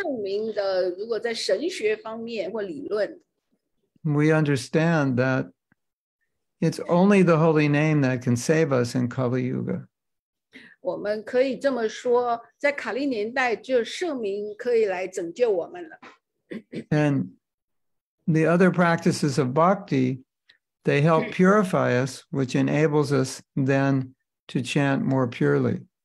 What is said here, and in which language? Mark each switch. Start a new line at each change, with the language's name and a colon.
Chinese: 如果我们深刻的来研究这个圣名的，如果在神学方面或理论，
English: we understand that it's only the holy name that can save us in Kali Yuga.
Chinese: 我们可以这么说，在卡利年代，就圣名可以来拯救我们了。
English: And the other practices of bhakti, they help purify us, which enables us then to chant more purely.